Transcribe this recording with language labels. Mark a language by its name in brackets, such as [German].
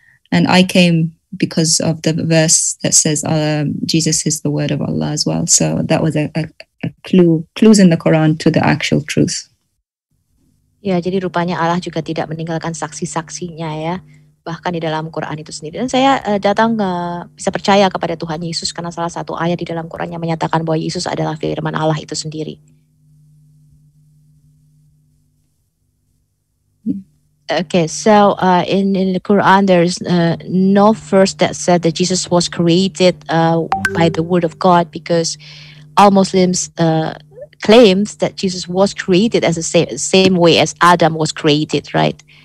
[English] And I came because of the verse that says Jesus is the word of Allah as well. So that was a clue in the Quran to the actual truth. [Indonesian] Ya, jadi rupanya Allah juga tidak meninggalkan saksi-saksinya ya, bahkan di dalam Quran itu sendiri. Dan saya datang bisa percaya kepada Tuhan Yesus karena salah satu ayat di dalam Quran yang menyatakan bahwa Yesus adalah firman Allah itu sendiri. [English] Okay, so in the Quran there's no verse that said that Jesus was created by the word of God, because all Muslims claims that Jesus was created as the same way as Adam was created, right?